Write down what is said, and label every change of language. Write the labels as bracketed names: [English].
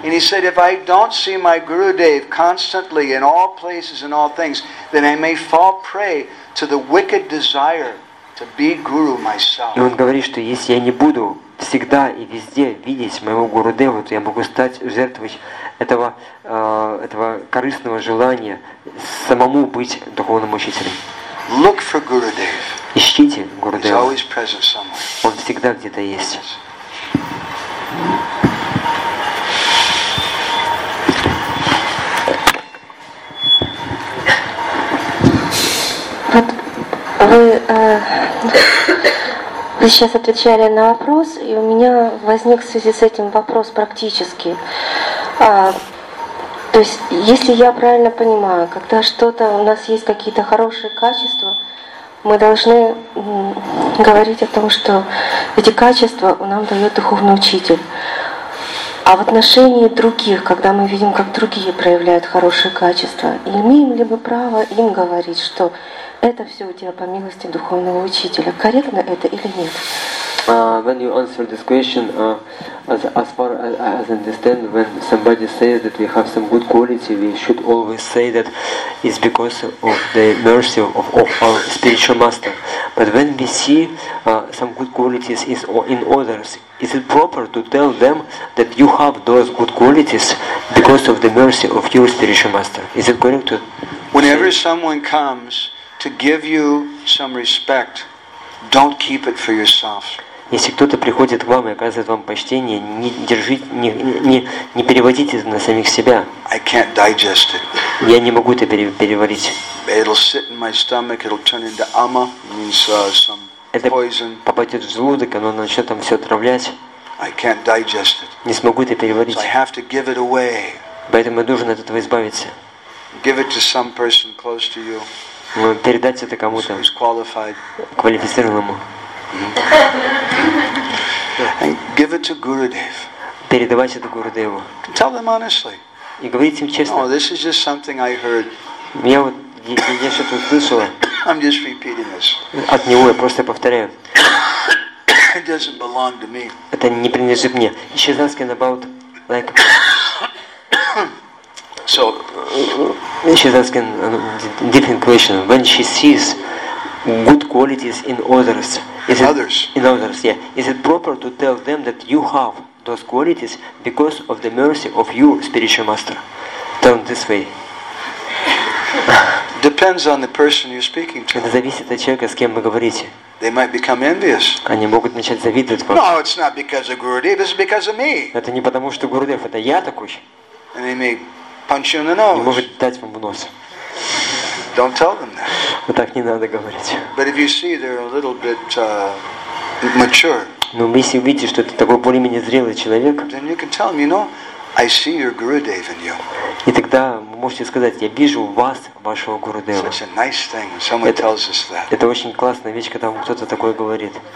[English] And he said, if I don't see my Gurudev constantly in all places and all things, then I may fall prey to the wicked desire to be guru myself. [Russian] И он говорит, что если я не буду всегда и везде видеть моего Гурудеву, то я могу стать жертвой этого корыстного желания самому быть духовным учителем. [English] Look for Gurudev. [Russian] Ищите Гурудева. [English] He's always present somewhere. [Russian] Он всегда где-то есть. Вы сейчас отвечали на вопрос, и у меня возник в связи с этим вопрос практически. То есть, если я правильно понимаю, когда что-то у нас есть какие-то хорошие качества, мы должны говорить о том, что эти качества нам дает духовный учитель. А в отношении других, когда мы видим, как другие проявляют хорошие качества, имеем ли мы право им говорить, что это все у тебя по милости духовного учителя. Корректно это или нет? [English] When you answer this question, as far as I understand, when somebody says that we have some good quality, we should always say that it's because of the mercy of our spiritual master. But when we see some good qualities in others, is it proper to tell them that you have those good qualities because of the mercy of your spiritual master? Is it correct to whenever say? Someone comes to give you some respect, don't keep it for yourself. [Russian] Если кто-то приходит к вам и оказывает вам почтение, не держите, не переводите это на самих себя. [English] I can't digest it. [Russian] Я не могу это переварить. [English] It'll sit in my stomach, it'll turn into ama, means some poison. [Russian] Это попадет в желудок, оно начнет там все отравлять. [English] I can't digest it. [Russian] Не смогу это переварить. [English] So I have to give it away. [Russian] Поэтому я должен от этого избавиться. [English] Give it to some person close to you. [Russian] Передать это кому-то квалифицированному. [English] And give it to Gurudev. [Russian] Передавать это Гурудеву. [English] Tell them honestly. [Russian] И говорить им честно. [English] Oh, this is just something I heard. [Russian] Я вот я что-то услышал. [English] I'm just repeating this. [Russian] От него я просто повторяю. [English] It doesn't belong to me. [Russian] Это не принадлежит мне. [English] She was asking about like. So she's asking a different question. When she sees good qualities in others, is it, others. In others, yeah. Is it proper to tell them that you have those qualities because of the mercy of your spiritual master? Tell them this way. Depends on the person you're speaking to. [Russian] Это зависит от человека, с кем вы говорите. [English] They might become envious. [Russian] Они могут начать завидовать вам. [English] No, it's not because of Gurudev, it's because of me. [Russian] Это не потому, что Гурудев, это я такой. [English] And they may punch you in the nose. [Russian] И может дать вам в нос. [English] Don't tell them that. [Russian] Вот так не надо говорить. [English] But if you see they're a little bit mature. [Russian] Но если видите, что это такой более-менее зрелый человек. [English] Then you can tell them, you know, I see your Gurudev in you. [Russian] И тогда вы можете сказать: я вижу в вас вашего Гурудева. [English] Such a nice thing when someone tells us that. [Russian] Это очень классная вещь, когда вам кто-то такое говорит.